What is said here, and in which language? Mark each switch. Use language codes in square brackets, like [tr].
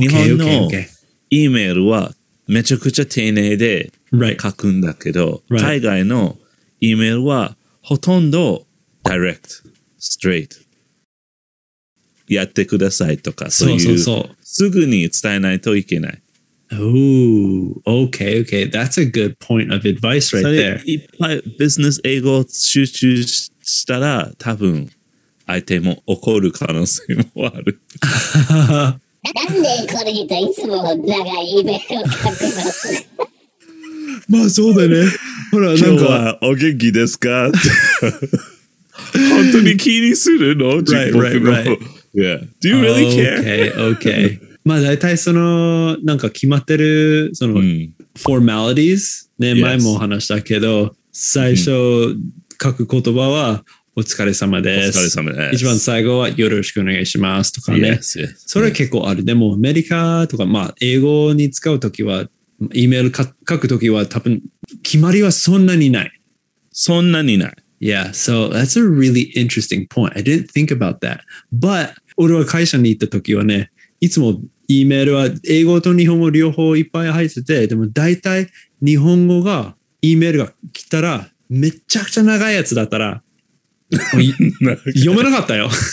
[ja] 日本の E メールはめちゃくちゃ丁寧で書くんだけど、 [en] right. [ja] 海外の E メールはほとんどダイレクト、ストレート。やってくださいとか、そういう、そうそうそう、すぐに伝えないといけない。 [en] Ooh, okay, okay. That's a good point of advice right there. [ja] いっぱいビジネス英語を集中したら多分相手も怒る可能性もある。なんでこの人いつも長いイベントを書くの？まあそうだね。ほらなんか今日はお元気ですか？本当に気にするの？自分の。 [en] Right, right, right. Yeah. Do you really care? Okay, okay. [ja] まあ大体そのなんか決まってるそのフォーマリティーズね、 [en] yes. [ja] 前も話したけど最初書く言葉はお疲れ様です。お疲れ様です。一番最後はよろしくお願いしますとかね。 [en] Yes, yes, [ja] それは結構ある。Yes. でもアメリカとかまあ英語に使うときは、E メール書くときは多分決まりはそんなにない。そんなにない。 [en] Yeah, so that's a really interesting point. I didn't think about that. [ja] But 俺は会社に行ったときはね、いつも E メールは英語と日本語両方いっぱい入ってて、でも大体日本語が E メールが来たらめちゃくちゃ長いやつだったら、読めなかったよ。